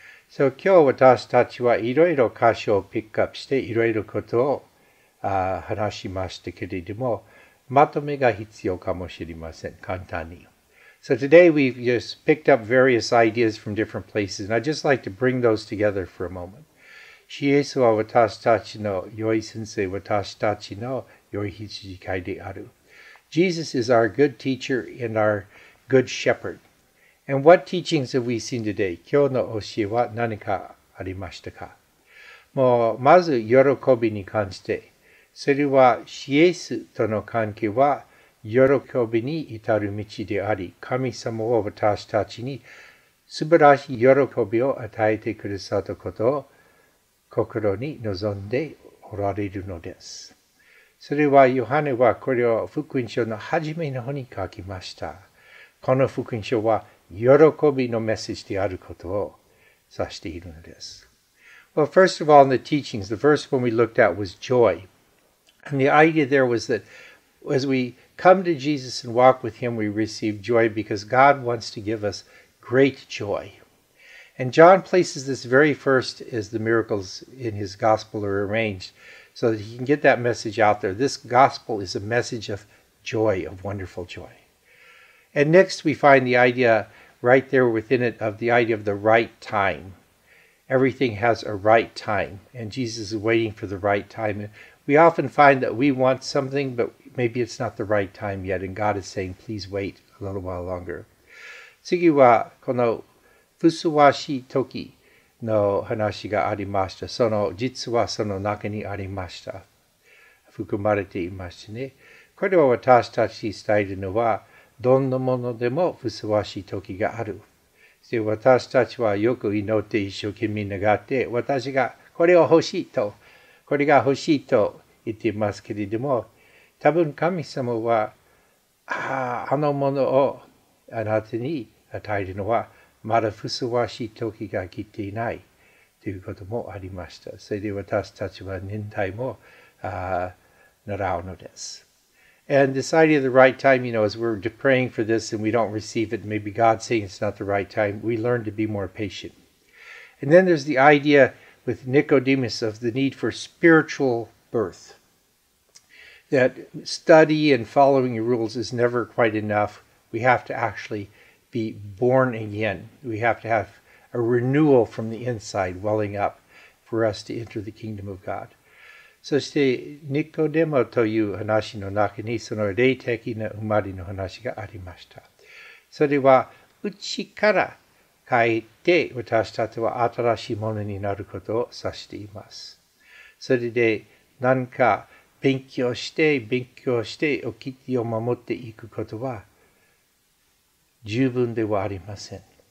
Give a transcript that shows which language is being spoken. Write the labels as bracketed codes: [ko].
[ja] So, 今日私たちはいろいろ箇所をピックアップして、いろいろことを話しましたけれども、まとめが必要かもしれません。簡単に。 [en] So today we've just picked up various ideas from different places, and I'd just like to bring those together for a moment. [ja] イエスは私たちの良い先生、私たちの良い羊飼いである。 [en] Jesus is our good teacher and our good shepherd. And what teachings have we seen today? [ja] 今日の教えは何かありましたか？もうまず喜びに関して、それはイエスとの関係は喜びに至る道であり、神様を私たちに素晴らしい喜びを与えてくださったことを心に望んでおられるのです。それはヨハネはこれを福音書の初めの方に書きました。この福音書は喜びのメッセージであることを指しているのです。 [en] Well, first of all, in the teachings, the first one we looked at was joy. And the idea there was that as we come to Jesus and walk with him, we receive joy because God wants to give us great joy. And John places this very first as the miracles in his gospel are arranged so that he can get that message out there. This gospel is a message of joy, of wonderful joy. And next we find the idea right there within it of the idea of the right time. Everything has a right time and Jesus is waiting for the right time. And we often find that we want something, but maybe it's not the right time yet, and God is saying, please wait a little while longer. [ja] 次はこのふさわしい時の話がありました。その実はその中にありました。含まれていましたね。これは私たち伝えるのは、どんなものでもふさわしい時がある。で、私たちはよく祈って一生懸命願って、私がこれを欲しいと、これが欲しいと言っていますけれども、多分神様は あのものをあなたに与えるのはまだふさわしい時が来ていないということもありました。それで私たちは忍耐も習うのです。 [en] And this idea of the right time, you know, as we're praying for this and we don't receive it, maybe God's saying it's not the right time, we learn to be more patient. And then there's the idea with Nicodemus of the need for spiritual birth. That study and following rules is never quite enough. We have to actually be born again. We have to have a renewal from the inside welling up for us to enter the kingdom of God. [ja] そしてニコデモという話の中にその霊的な生まれの話がありました。それは内から帰って私たちは新しいものになることを指しています。それで何か勉強して、勉強して、おきてを守っていくことは十分ではありません。